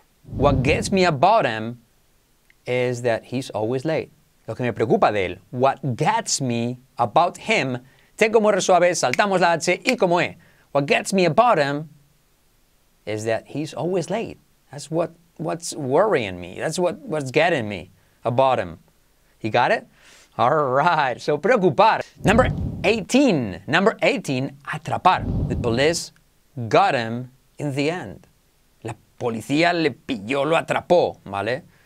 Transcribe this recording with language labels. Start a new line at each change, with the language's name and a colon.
English: What gets me about him is that he's always late.
Spanish: Lo que me preocupa de él.
English: What gets me about him.
Spanish: T como R suave, saltamos la H y como E.
English: What gets me about him is that he's always late. That's what's worrying me. That's what's getting me. A bottom. You got it? All right. So, preocupar.
Spanish: Number 18, atrapar.
English: The police got him in the end.
Spanish: La policía le pilló, lo atrapó, ¿vale?